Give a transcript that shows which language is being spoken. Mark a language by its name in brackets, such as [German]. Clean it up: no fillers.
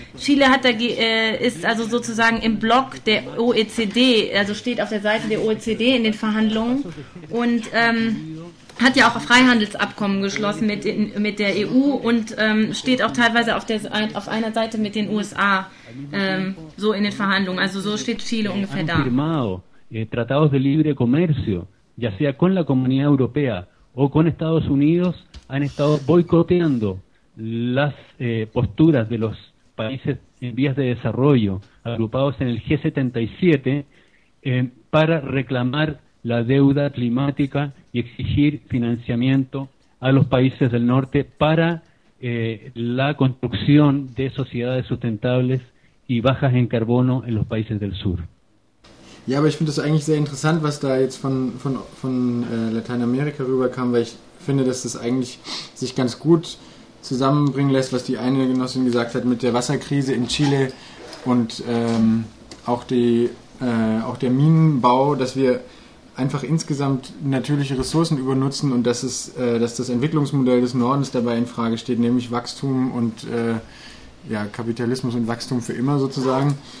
[German] Chile ist also sozusagen im Block der OECD, also steht auf der Seite der OECD in den Verhandlungen und hat ja auch Freihandelsabkommen geschlossen mit der EU und steht auch teilweise auf einer Seite mit den USA so in den Verhandlungen. Also so steht Chile ungefähr da. [Spanish] Tratados de libre comercio, ya sea con la Comunidad Europea o con Estados Unidos, han estado boicoteando las posturas de los países en vías de desarrollo agrupados en el G77 para reclamar la deuda climática y exigir financiamiento a los países del norte para la construcción de sociedades sustentables y bajas en carbono en los países del sur. [German] Ja, aber ich finde das eigentlich sehr interessant, was da jetzt von Lateinamerika rüberkam, weil ich finde, dass das eigentlich sich ganz gut zusammenbringen lässt, was die eine Genossin gesagt hat mit der Wasserkrise in Chile und auch der Minenbau, dass wir einfach insgesamt natürliche Ressourcen übernutzen und dass das Entwicklungsmodell des Nordens dabei in Frage steht, nämlich Wachstum und Kapitalismus und Wachstum für immer sozusagen.